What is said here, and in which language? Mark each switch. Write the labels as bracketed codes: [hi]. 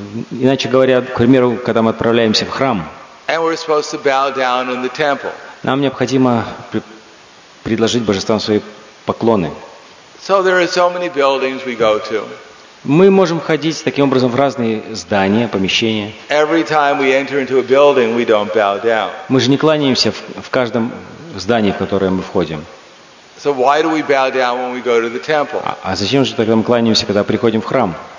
[ru] Иначе говоря, к примеру, когда мы отправляемся в храм. [en] And we're supposed to bow down in the temple. [ru] Нам необходимо предложить божествам свои поклоны. [en] So there are so many buildings we go to. [ru] Мы можем ходить таким образом в разные здания, помещения. [en] Building, [ru] мы же не кланяемся в каждом здании, в которое мы входим. [en] So why do we bow down when we go to the temple? [ru] А зачем же тогда мы кланяемся, когда приходим в храм?